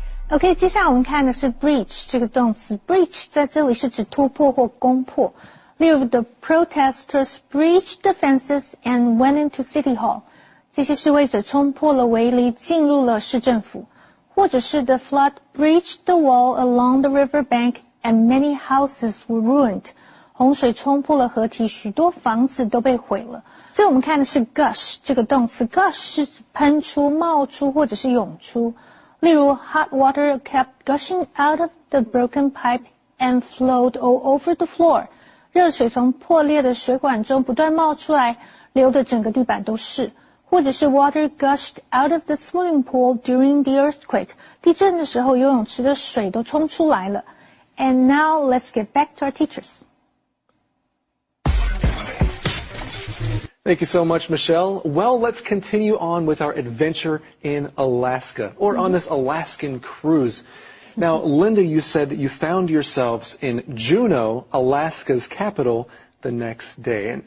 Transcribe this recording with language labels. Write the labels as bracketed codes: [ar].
[zh] OK, 接下来我们看的是 breach 这个动词。breach 在这里是指突破或攻破。例如 [en] the protesters breached the fences and went into city hall. [zh] 这些示威者冲破了围篱进入了市政府。或者是 [en] the flood breached the wall along the riverbank and many houses were ruined. [zh] 洪水冲破了河堤许多房子都被毁了。所以我们看的是 gush 这个动词。gush 是喷出、冒出或者是涌出。例如 [en] hot water kept gushing out of the broken pipe and flowed all over the floor. [zh] 热水从破裂的水管中不断冒出来，流的整个地板都是。或者是 [en] water gushed out of the swimming pool during the earthquake. [zh] 地震的时候游泳池的水都冲出来了。 [en] And now let's get back to our teachers. Thank you so much, Michelle. Well, let's continue on with our adventure in Alaska, or on this Alaskan cruise. Now, Linda, you said that you found yourselves in Juneau, Alaska's capital, the next day.